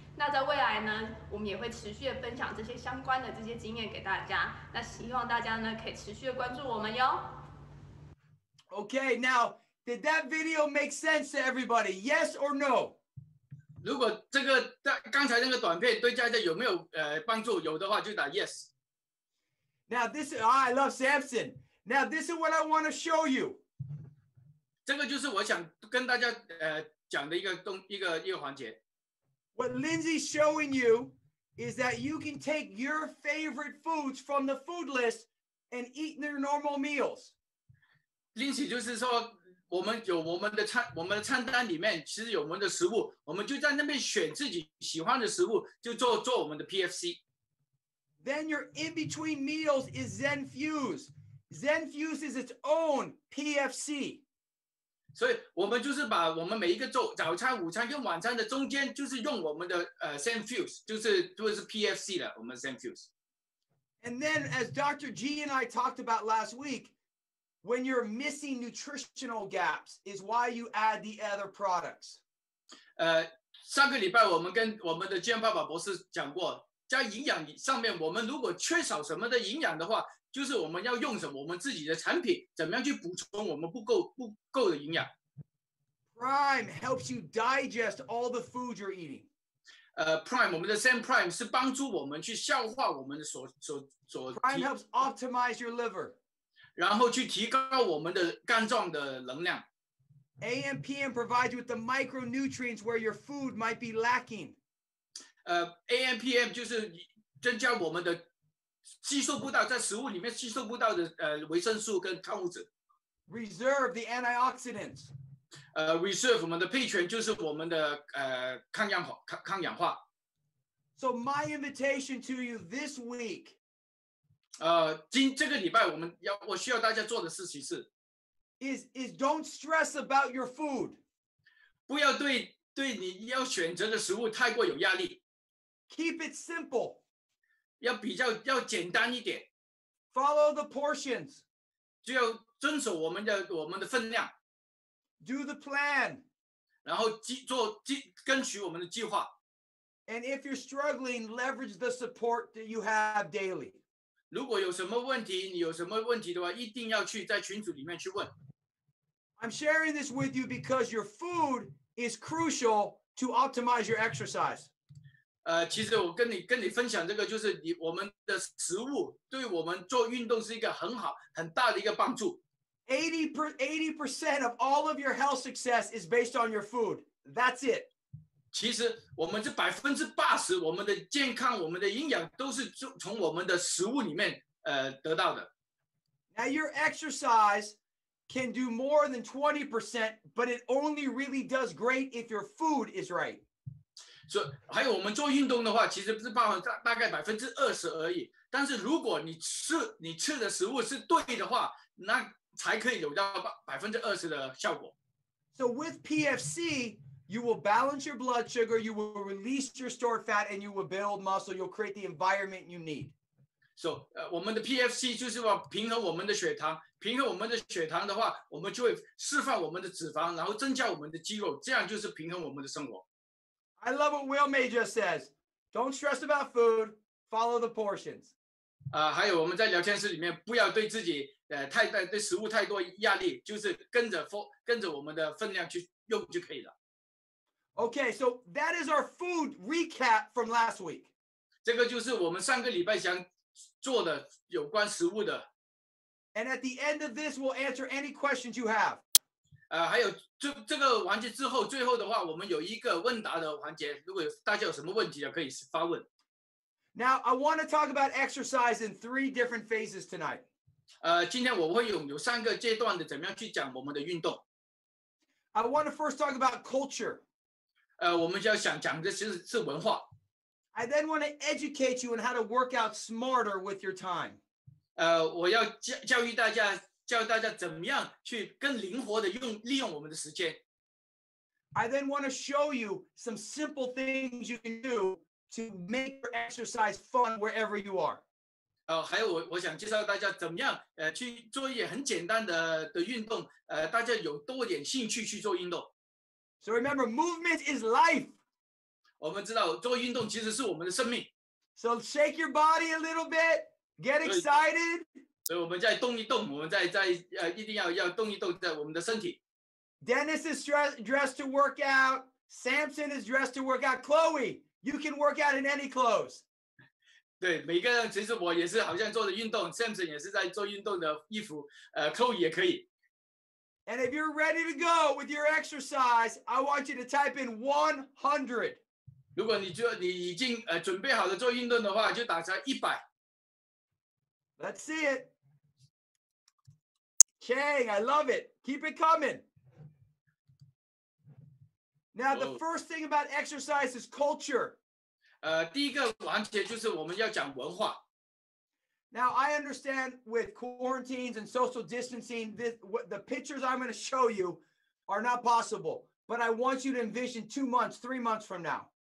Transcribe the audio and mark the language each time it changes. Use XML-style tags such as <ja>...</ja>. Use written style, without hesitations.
<zh>那在未来呢，我们也会持续的分享这些相关的这些经验给大家。那希望大家呢可以持续的关注我们哟。</zh> <en>Okay, now Did that video make sense to everybody? Yes or no?</en> <zh>如果这个刚才那个短片对大家有没有帮助？有的话就打 yes。</zh> <en>Now this, I love Samson. Now this is what I want to show you.</en> <zh>这个就是我想跟大家讲的一个环节。</zh> <en>What Lindsay's showing you is that you can take your favorite foods from the food list and eat their normal meals.</en> <zh>Lindsay 就是说。我们有我们的餐单里面其实有我们的食物，我们就在那边选自己喜欢的食物，就做我们的 PFC。</zh> <en>Then your in between meals is Zen Fuse. Zen Fuse is its own PFC.</en> <zh>所以我们就是把我们每一个早餐、午餐跟晚餐的中间，就是用我们的Zen Fuse， 就是 PFC 的我们 Zen Fuse。</zh> <en>And then as Dr. G and I talked about last week. When you're missing nutritional gaps, is why you add the other products.</en> <zh>上个礼拜我们跟我们的健爸爸博士讲过，在营养上面，我们如果缺少什么的营养的话，就是我们要用什么我们自己的产品，怎么样去补充我们不够的营养。</zh> <en>Prime helps you digest all the food you're eating.</en> <zh>Prime 我们的 Zen Prime 是帮助我们去消化我们的所。</zh> <en>Prime helps optimize your liver.</en> <zh>然后去提高我们的肝脏的能量。</zh> <en>AM PM provides you with the micronutrients where your food might be lacking.</en> <zh>AM PM 就是增加我们的吸收不到在食物里面吸收不到的维生素跟矿物质。</zh> <en>Reserve the antioxidants.</en> <zh>Reserve 我们的配权就是我们的抗氧化。</zh> <en>So my invitation to you this week.</en> <zh>这个礼拜我需要大家做的事情是</zh> <en>is don't stress about your food.</en> <zh>不要对你要选择的食物太过有压力。</zh> <en>Keep it simple.</en> <zh>要简单一点。</zh> <en>Follow the portions.</en> <zh>就要遵守我们的分量。</zh> <en>Do the plan.</en> <zh>然后跟随我们的计划。</zh> <en>And if you're struggling, leverage the support that you have daily.</en> <zh>如果有什么问题，你有什么问题的话，一定要去在群组里面去问。</zh> <en>I'm sharing this with you because your food is crucial to optimize your exercise.</en> <zh>其实我跟你分享这个，就是我们的食物对我们做运动是一个很好很大的一个帮助。</zh> <en>80% of all of your health success is based on your food. That's it.</en> <zh>其实我们这80%我们的健康我们的营养都是从我们的食物里面得到的。</zh> <en>Now your exercise can do more than 20%, but it only really does great if your food is right.</en> <zh>所以还有我们做运动的话其实是包含大概20%而已。但是如果你吃的食物是对的话那才可以有到20%的效果。</zh> <en>So with PFC,You will balance your blood sugar, you will release your stored fat, and you will build muscle. You'll create the environment you need. So,</en> <zh>我们的 PFC 就是要平衡我们的血糖。平衡我们的血糖的话，我们就会释放我们的脂肪，然后增加我们的肌肉，这样就是平衡我们的生活。</zh> <en>I love what Will May just says. Don't stress about food. Follow the portions.</en> <zh>还有我们在聊天室里面，不要对自己对食物太多压力，就是跟着我们的分量去用就可以了。</zh> <en>Okay, so that is our food recap from last week.</en> <zh>这个就是我们上个礼拜想做的有关食物的。</zh> <en>And at the end of this, we'll answer any questions you have.</en> <zh>还有这个环节之后，最后的话，我们有一个问答的环节。如果大家有什么问题可以发问。</zh> <en>Now, I want to talk about exercise in three different phases tonight.</en> <zh>今天我会有三个阶段的，怎么样去讲我们的运动。</zh> <en>I want to first talk about culture.</en> <zh>我们就要想讲的其实是文化。</zh> <en>I then want to educate you on how to work out smarter with your time.</en> <zh>我要教大家怎么样去更灵活的利用我们的时间。</zh> <en>I then want to show you some simple things you can do to make your exercise fun wherever you are.</en> <zh>还有我想介绍大家怎么样去做一些很简单的运动，大家有多一点兴趣去做运动。</zh> <en>So remember, movement is life.</en> <zh>我们知道做运动其实是我们的生命。</zh> <en>So shake your body a little bit, get excited.</en> <zh>所以我们再动一动，我们再一定要动一动在我们的身体。</zh> <en>Dennis is dressed to work out. Samson is dressed to work out. Chloe, you can work out in any clothes.</en> <zh>对，每个人其实我也是好像做的运动 ，Samson 也是在做运动的衣服，Chloe 也可以。</zh> <en>And if you're ready to go with your exercise, I want you to type in 100.</en> <zh>如果你已经准备好了做运动的话，就打上100。</zh> <en>Let's see it. Chang, I love it. Keep it coming. Now, the first thing about exercise is culture.</en> <zh>第一个环节就是我们要讲文化。</zh> <en>Now, I understand with quarantines and social distancing, the pictures I'm going to show you are not possible, but I want you to envision 2 months, 3 months from now.</en>